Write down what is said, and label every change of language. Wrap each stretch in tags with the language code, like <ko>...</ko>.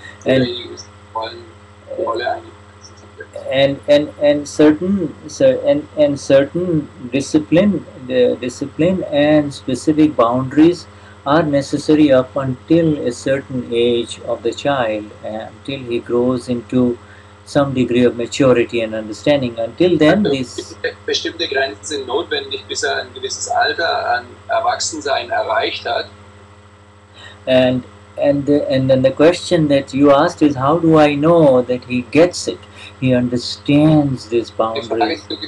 <en>And certain discipline and specific boundaries are necessary up until a certain age of the child, until he grows into some degree of maturity and understanding. Until then,</en> <de>bestimmte Grenzen sind notwendig, bis er ein gewisses Alter an Erwachsensein erreicht hat.</de> <en>And then the question that you asked is, how do I know that he gets it? He understands this boundary.</en>